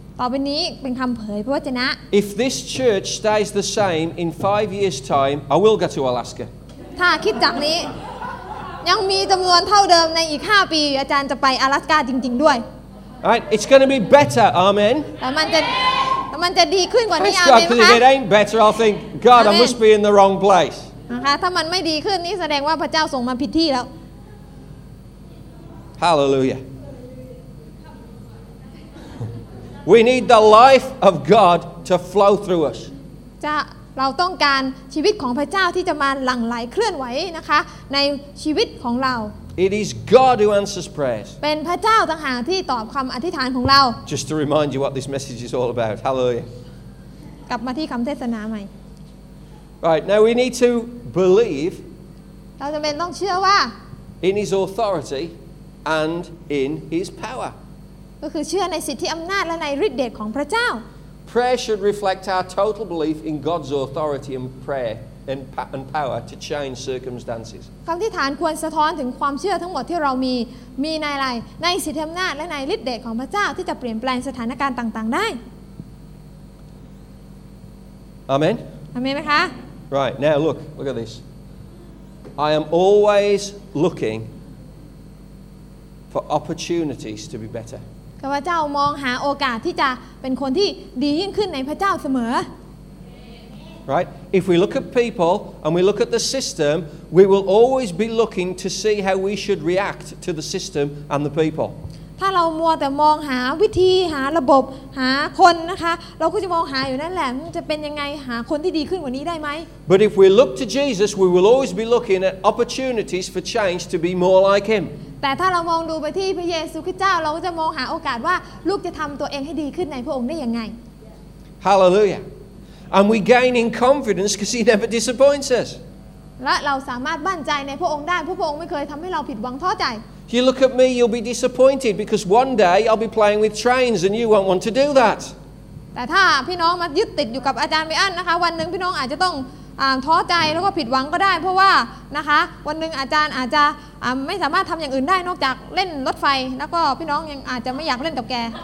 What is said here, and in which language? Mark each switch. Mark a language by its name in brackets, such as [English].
[Thai] ต่อไปนี้เป็นคำเผยพระวจนะ [English] If this church stays the same in 5 years' time, I will go to Alaska. [Thai] ถ้า ถ้าคิดจากนี้ยังมีจำนวนเท่าเดิมในอีก5ปีอาจารย์จะไปอลาสก้าจริงๆด้วย [English] Right it's going to be better amen [Thai] มันจะดีขึ้นกว่านี้ [English] amen ครับ It ain't better I think God I must be in the wrong place [Thai] นะคะถ้ามันไม่ดีขึ้นนี่แสดงว่าพระเจ้าส่งมาผิดที่แล้ว [English] HallelujahWe need the life of God to flow through us. [Thai] เราต้องการชีวิตของพระเจ้าที่จะมาหลั่งไหลเคลื่อนไหวนะคะในชีวิตของเรา [English] It is God who answers prayers. [Thai] เป็นพระเจ้าต่างหากที่ตอบคำอธิษฐานของเรา [English] Just to remind you what this message is all about. Hallelujah. [Thai] กลับมาที่คำเทศนาใหม่ [English] Right now we need to believe. [Thai] เราจำเป็นต้องเชื่อว่า [English] In His authority and in His power. [Thai] ก็คือเชื่อในสิทธิอำนาจและในฤทธิ์เดชของพระเจ้า [English] Prayer should reflect our total belief in God's authority and prayer and power to change circumstances. [Thai] คำอธิษฐานควรสะท้อนถึงความเชื่อทั้งหมดที่เรามีในอะไรในสิทธิอำนาจและในฤทธิ์เดชของพระเจ้าที่จะเปลี่ยนแปลงสถานการณ์ต่างๆได้ [English] Amen. [Thai] Amen ไหมคะ [English] Right now look at this. I am always looking for opportunities to be better. [Thai] พระเจ้ามองหาโอกาสที่จะเป็นคนที่ดียิ่งขึ้นในพระเจ้าเสมอ [English] Right if we look at people and we look at the system we will always be looking to see how we should react to the system and the people [Thai] ถ้าเรามัวแต่มองหาวิธีหาระบบหาคนนะคะเราก็จะมองหาอยู่นั่นแหละจะเป็นยังไงหาคนที่ดีขึ้นกว่านี้ได้ไหม [English] But if we look to Jesus we will always be looking at opportunities for change to be more like him [Thai] แต่ถ้าเรามองดูไปที่พระเยซูคริสต์เจ้าเราก็จะมองหาโอกาสว่าลูกจะทำตัวเองให้ดีขึ้นในพระองค์ได้ยังไง [English] Hallelujah and we gain in confidence because he never disappoints us [Thai] และเราสามารถมั่นใจในพระองค์ได้พระองค์ไม่เคยทำให้เราผิดหวังท้อใจ [English] You look at me you'll be disappointed because one day I'll be playing with trains and you won't want to do that [Thai] แต่ถ้าพี่น้องมายึดติดอยู่กับอาจารย์บิอันนะคะวันนึงพี่น้องอาจจะต้องท้อใจแล้วก็ผิดหวังก็ได้เพราะว่านะคะวันนึงอาจารย์อาจจะไม่สามารถทำอย่างอื่นได้นอกจากเล่นรถไฟแล้วก็พี่น้องยังอาจจะไม่อยากเล่นกับแก